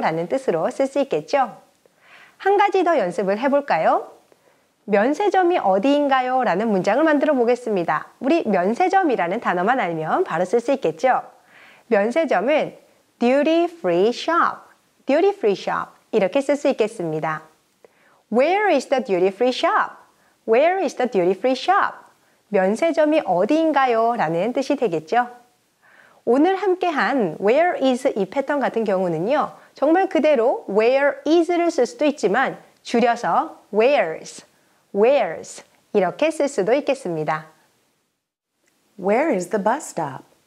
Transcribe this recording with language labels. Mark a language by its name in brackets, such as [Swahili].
[Korean] 라는 뜻으로 쓸 수 있겠죠. 한 가지 더 연습을 해볼까요? 면세점이 어디인가요? 라는 문장을 만들어 보겠습니다. 우리 면세점이라는 단어만 알면 바로 쓸 수 있겠죠. 면세점은 duty free shop 이렇게 쓸 수 있겠습니다. [English] Where is the duty free shop? [Korean] 면세점이 어디인가요? 라는 뜻이 되겠죠. 오늘 함께한 where is 이 패턴 같은 경우는요. 정말 그대로 where is를 쓸 수도 있지만 줄여서 where's 이렇게 쓸 수도 있겠습니다. [English] Where is the bus stop?